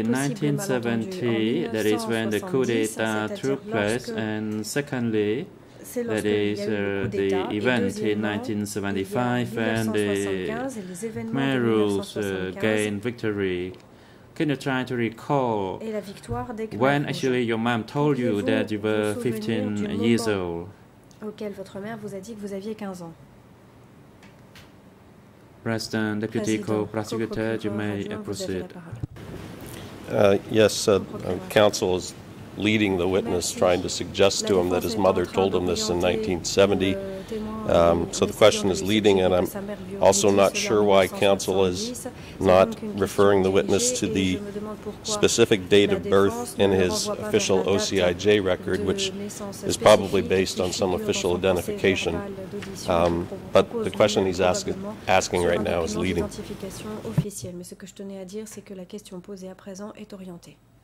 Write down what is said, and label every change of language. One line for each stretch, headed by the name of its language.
English: in 1970, that is when the coup d'état took place, and secondly, that is the event in 1975 when the Merus gained victory Can you try to recall when actually your mom told you that you were 15 years old?
French: Auquel votre mère vous a dit que vous aviez 15 ans.
English: President, Deputy Co-Prosecutor, you may proceed. Yes, counsel is leading the witness, trying to suggest to him that his mother told him this in 1970. So the question is leading, and I'm also not sure why counsel is not referring the witness to the specific date of birth in his official OCIJ record, which is probably based on some official identification. But the question he's asking right now is leading.
French: Mais ce que je tenais à dire, c'est que la question posée à présent est orientée.